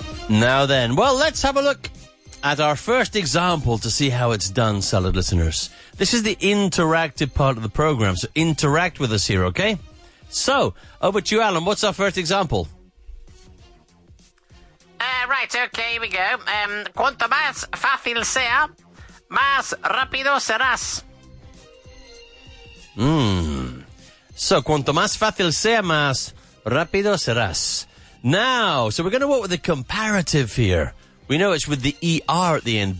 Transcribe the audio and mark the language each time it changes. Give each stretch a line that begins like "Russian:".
English: Now then, well, let's have a look at our first example to see how it's done, salad listeners. This is the interactive part of the program, so interact with us here, okay? So, over to you, Alan. What's our first example? Okay, here we go.
Spanish: Cuanto más fácil sea, más rápido serás. So, cuanto más fácil sea, más rápido serás.
English: Now, so we're going to work with the comparative here. We know it's with the ER at the end.